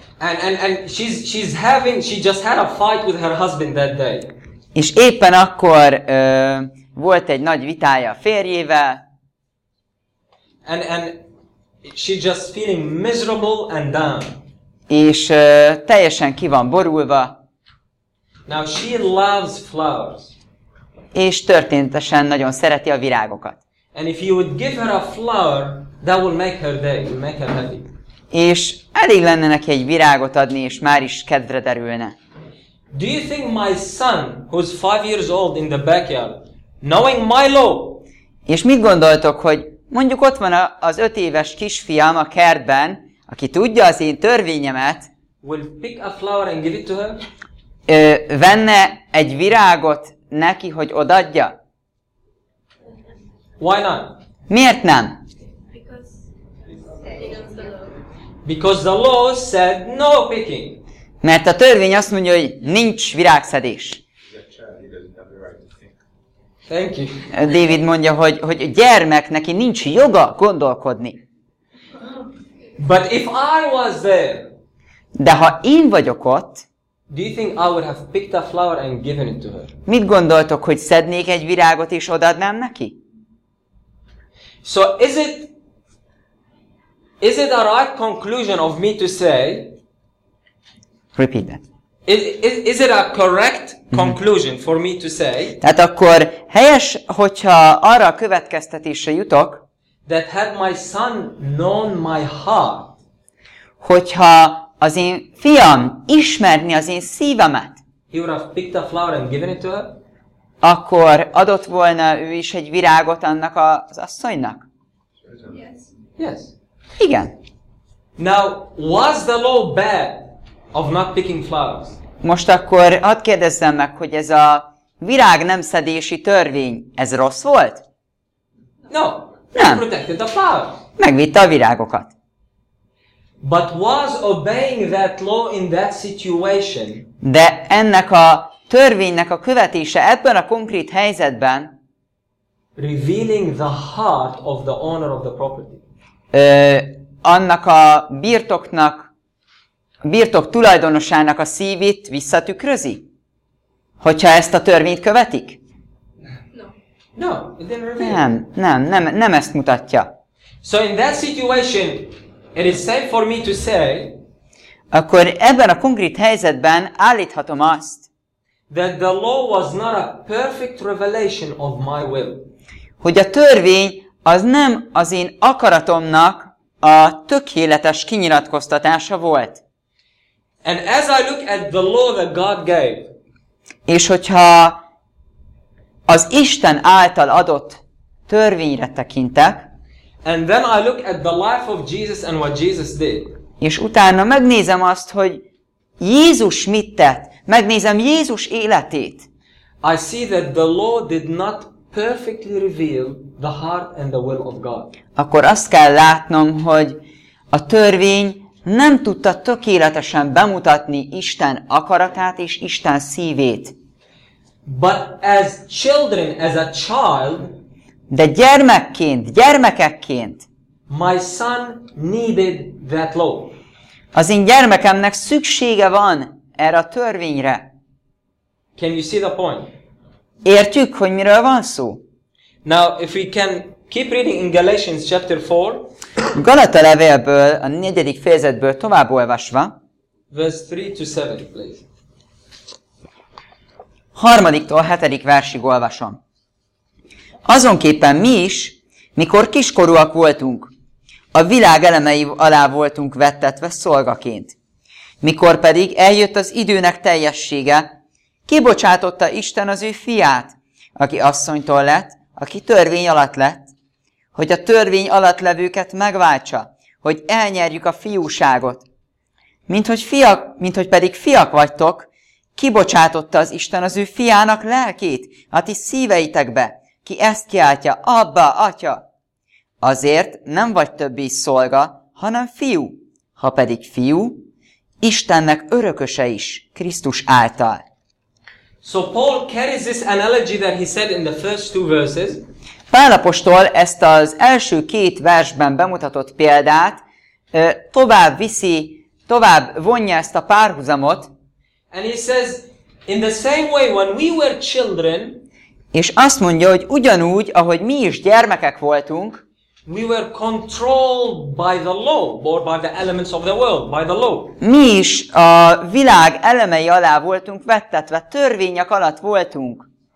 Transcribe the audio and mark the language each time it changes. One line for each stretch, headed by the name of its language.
English: And she just had a fight with her husband that day.
Hungarian: És éppen akkor volt egy nagy vitája a férjével.
English: And she just feeling miserable and down.
Hungarian: És teljesen ki van borulva.
English: Now she loves flowers.
Hungarian: És történetesen nagyon szereti a virágokat.
English: And if you would give her a flower, that will make her day, will make her happy.
Hungarian: És elég lenne neki egy virágot adni, és már is kedvre derülne.
English: Do you think my son, who's 5 years old in the backyard, knowing my law?
Hungarian: És mit gondoltok, hogy mondjuk ott van az 5 éves kisfiam a kertben, aki tudja az én törvényemet,
English: will pick a flower and give it to her?
Hungarian: Venne egy virágot neki, hogy odaadja?
English: Why not?
Hungarian: Miért nem?
English: Because the law said no picking.
Hungarian: Mert a törvény azt mondja, hogy nincs virágszedés.
English: Thank you.
Hungarian: David mondja, hogy a gyermek, neki nincs joga gondolkodni.
English: But if I was there,
Hungarian: de ha én vagyok ott,
English: do you think I would have picked a flower and given it to her?
Hungarian: Mit gondoltok, hogy szednék egy virágot és odaadnám neki?
English: So is it a right conclusion of me to say? Repeat that. Is it a correct conclusion for me to say?
Hungarian: Tehát akkor helyes, hogyha arra a következtetésre jutok,
English: that had my son known my heart,
Hungarian: hogyha az én fiam ismerni az én szívemet,
English: he would have picked a flower and given it to her,
Hungarian: akkor adott volna ő is egy virágot annak az asszonynak.
English: Yes.
Hungarian: Igen.
English: Now was the law bad of not picking flowers?
Hungarian: Most akkor hadd kérdezzem meg, hogy ez a virág nem szedési törvény, ez rossz volt?
English: No.
Hungarian: Nem.
English: Protected the flowers.
Hungarian: Megvitte a virágokat.
English: But was obeying that law in that situation?
Hungarian: De ennek a törvénynek a követése ebben a konkrét helyzetben
English: revealing the heart of the owner of the property.
Hungarian: Annak a birtoknak, birtok tulajdonosának a szívét visszatükrözi? Hogyha ezt a törvényt követik?
English: No, it didn't reveal.
Hungarian: Nem ezt mutatja.
English: So in that situation, it is safe for me to say,
Hungarian: akkor ebben a konkrét helyzetben állíthatom azt,
English: that the law was not a perfect revelation of my will.
Hungarian: Hogy a törvény az nem az én akaratomnak a tökéletes kinyilatkoztatása volt.
English: And as I look at the law that God gave,
Hungarian: és hogyha az Isten által adott törvényre tekintek,
English: and then I look at the life of Jesus and what Jesus did,
Hungarian: és utána megnézem azt, hogy Jézus mit tett, megnézem Jézus életét,
English: I see that the law did not perfectly reveal the heart and the will of God.
Hungarian: Akkor azt kell látnom, hogy a törvény nem tudta tökéletesen bemutatni Isten akaratát és Isten szívét.
English: But as children, as a child,
Hungarian: de gyermekként, gyermekekként,
English: my son needed that law.
Hungarian: Az én gyermekemnek szüksége van erre a törvényre.
English: Can you see the point?
Hungarian: Értjük, hogy miről van szó?
English: Now, if we can keep reading in Galatians chapter 4,
Hungarian: Galata levélből, a 4. fejezetből tovább olvasva,
English: verse 3-7, please.
Hungarian: 3.-7. versig olvasom. Azonképpen mi is, mikor kiskorúak voltunk, a világ elemei alá voltunk vettetve szolgaként. Mikor pedig eljött az időnek teljessége, kibocsátotta Isten az ő fiát, aki asszonytól lett, aki törvény alatt lett, hogy a törvény alatt levőket megváltsa, hogy elnyerjük a fiúságot. Minthogy pedig fiak vagytok, kibocsátotta az Isten az ő fiának lelkét, a ti szíveitekbe, ki ezt kiáltja, Abba, Atya. Azért nem vagy többé szolga, hanem fiú, ha pedig fiú, Istennek örököse is, Krisztus által.
English: So Paul carries this analogy that he said in the first two verses.
Hungarian: Pál apostol ezt az első két versben bemutatott példát tovább viszi, tovább vonja ezt a párhuzamot.
English: And he says, in the same way when we were children,
Hungarian: és azt mondja, hogy ugyanúgy, ahogy mi is gyermekek voltunk,
English: we were controlled by the law, or by the elements of the world, by the law.
Hungarian: Mi is a világ elemei alá voltunk vettetve, törvények alatt voltunk.